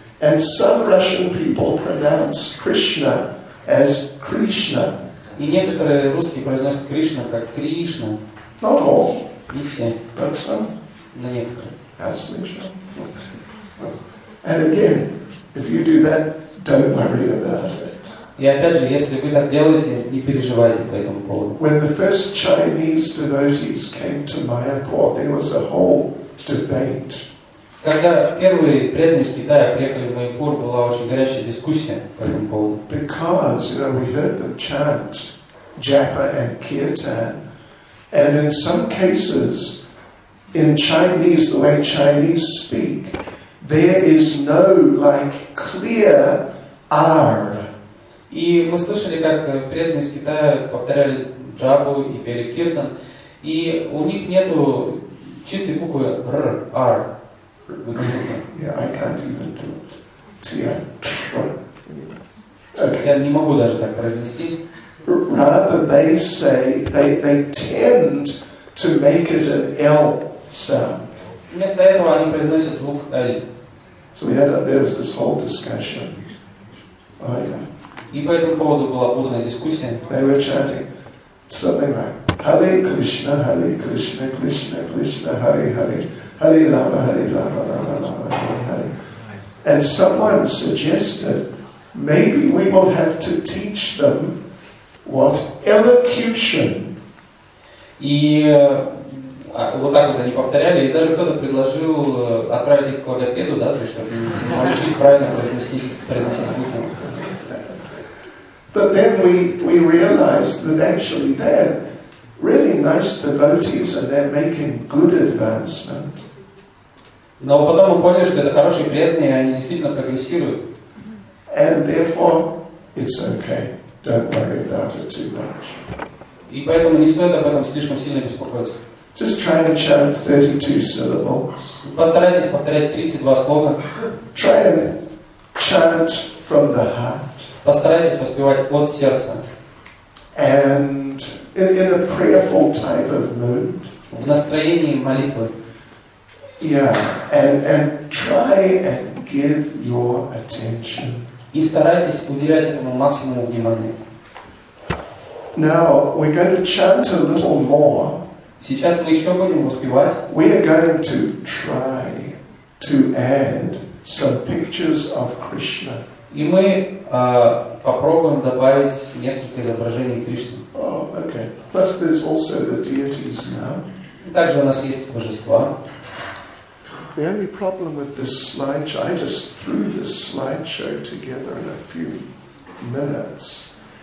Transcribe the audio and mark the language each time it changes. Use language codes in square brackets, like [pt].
[en] And some Russian people pronounce Krishna as Krishna. [ru] И некоторые русские произносят Кришна как Кришна. [en] Not all. [ru] Не все. [en] But some. [ru] На некоторые. [en] As Krishna. And again, if you do that, don't worry about it. [ru] И опять же, если вы так делаете, не переживайте по этому поводу. [en] When the first Chinese devotees came to Mayapur, there was a whole debate. [ru] Когда первые преданные из Китая приехали в Майпур, была очень горячая дискуссия по этому поводу. [en] Because, you know, we heard them chant Japa and Kirtan. And in some cases, in Chinese, the way Chinese speak, there is no, like, clear R. [ru] И мы слышали, как преданные из Китая повторяли Джапу и пели Киртан. И у них нету чистой буквы Р, R. [en] Yeah, I can't even do it. [ru] Okay. Я не могу даже так произнести. [en] Rather, they say they tend to make it an L sound. [ru] Вместо этого они произносят звук L. [en] So we had there's this whole discussion. Oh yeah. [ru] И по этому поводу была бурная дискуссия. [en] They were chanting something like Hare Krishna, Krishna, Krishna, Hare Hare. Hare Lama, Hare Lama, Lama Lama, Hare Hare. And someone suggested, maybe we will have to teach them what elocution. [ru] И вот так вот они повторяли, и даже кто-то предложил отправить их к логопеду, да, то есть чтобы научить правильно произносить звуки. [en] But then we realized that actually they are really nice devotees and they're making good advancement. [ru] Но потом мы поняли, что это хорошие преданные, они действительно прогрессируют. [en] And therefore, it's okay. Don't worry about it too much. [ru] И поэтому не стоит об этом слишком сильно беспокоиться. [en] Just try and chant 32 syllables. [ru] Постарайтесь повторять 32 слога. [en] Try and chant from the heart. [ru] Постарайтесь воспевать от сердца. [en] And in a prayerful type of mood. [ru] В настроении молитвы. [en] Yeah, and try and give your attention. [ru] И старайтесь уделять этому максимум внимания. [en] Now we're going to chant a little more. [ru] Сейчас мы еще будем воспевать. [en] We are going to try to add some pictures of Krishna. [ru] И мы попробуем добавить несколько изображений Кришны. [en] Oh, okay. Plus there's also the deities now. [ru] Также у нас есть божества. [en] The only problem with this slideshow, I just threw this slideshow together in a few minutes.